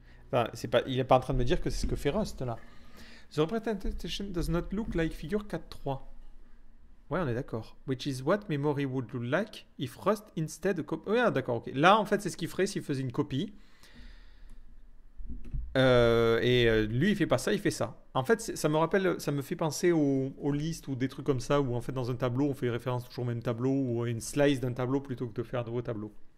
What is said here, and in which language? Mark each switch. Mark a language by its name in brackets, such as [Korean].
[French] Enfin, il n'est pas en train de me dire que c'est ce que fait Rust là. [English] The representation does not look like figure 4.3. [French] Ouais, on est d'accord. [English] Which is what memory would look like if Rust instead copy. [French] Ouais, d'accord, ok. Là, en fait, c'est ce qu'il ferait s'il faisait une copie. Et lui, il fait pas ça, il fait ça. En fait, ça me fait penser aux listes ou des trucs comme ça, où en fait, dans un tableau, on fait référence toujours au même tableau, ou à une slice d'un tableau plutôt que de faire un nouveau tableau.